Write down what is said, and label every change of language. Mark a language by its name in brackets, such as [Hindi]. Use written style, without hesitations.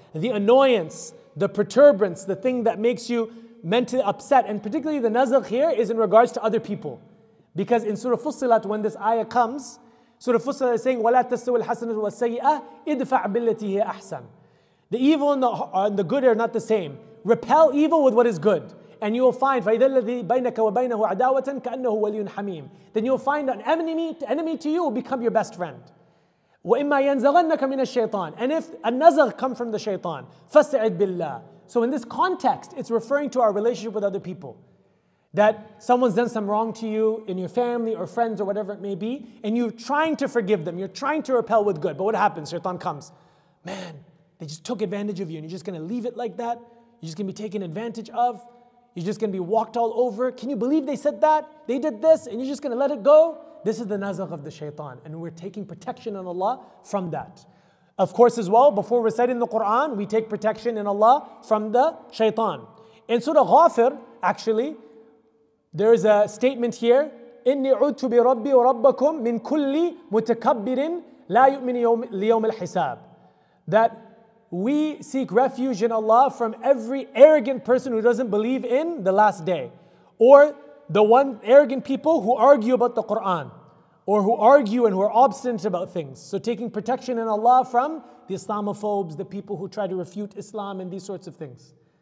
[English] The annoyance, the perturbance, the thing that makes you mentally upset. And particularly the nazagh here is in regards to other people. Because in Surah Fussilat, when this ayah comes, Surah Fussilat is saying, [Arabic] وَلَا تَسْتَوِي الْحَسَنَةُ وَالسَّيِّئَةِ اِدْفَعْ بِالَّتِي هِيَ أَحْسَنُ. [English] The evil and the good are not the same. Repel evil with what is good. And you will find, [Arabic] فَإِذَا الَّذِي بَيْنَكَ وَبَيْنَهُ عَدَاوَةً كَأَنَّهُ وَلِيٌّ حَمِيمٌ. [English] Then you will find an enemy to you will become your best friend. [Arabic] وَإِمَّا يَنْزَغَنَّكَ مِنَ الشَّيْطَانِ. [English] And if a nazagh come from the shaitan, [Arabic] فَاسْتَعِذْ بِاللَّهِ. [English] So in this context, it's referring to our relationship with other people. That someone's done some wrong to you in your family or friends or whatever it may be, and you're trying to forgive them, you're trying to repel with good. But what happens? Shaitan comes. Man, they just took advantage of you, and you're just going to leave it like that? You're just going to be taken advantage of? You're just going to be walked all over? Can you believe they said that? They did this, and you're just going to let it go? This is the nazagh of the shaitan, and we're taking protection in Allah from that. Of course, as well, before reciting the Quran, we take protection in Allah from the shaitan. In Surah Ghafir, actually, there is a statement here, [Arabic] إِنِّي عُدْتُ بِرَبِّي وَرَبَّكُمْ مِنْ كُلِّ مُتَكَبِّرٍ لَا يُؤْمِنِ لِيَوْمِ الْحِسَابِ. [English] That we seek refuge in Allah from every arrogant person who doesn't believe in the last day. Or the one arrogant people who argue about the Qur'an. Or who argue and who are obstinate about things. So taking protection in Allah from the Islamophobes, the people who try to refute Islam and these sorts of things.